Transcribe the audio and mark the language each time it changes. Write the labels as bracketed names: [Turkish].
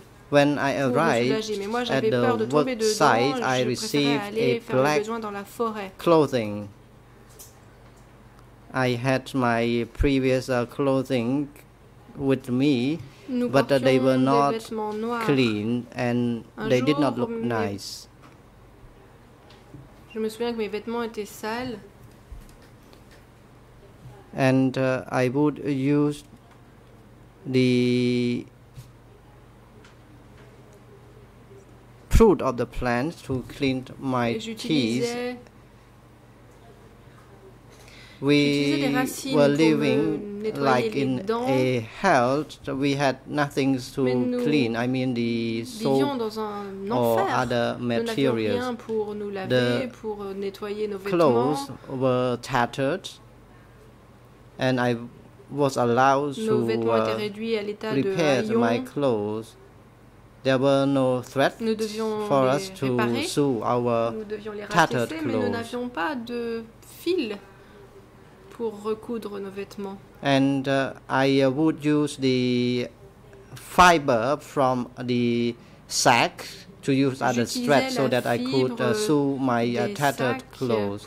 [English] When I arrived at the work site, I received a black clothing. I had my previous clothing with me, but they were not clean and they did not look nice. [French] Je me souviens que mes vêtements étaient sales. [English] And I would use the fruit of the plants to clean my teeth. we were living like in a hell. We had nothing to clean. I mean, the soap or other materials. The clothes were tattered, and I was allowed to repair my clothes. There were no threats for us to sew our tattered clothes. [French] Nous n'avions pas de fil pour recoudre nos vêtements. [English] And I would use the fiber from the sack to use as a strap so that I could sew my tattered clothes.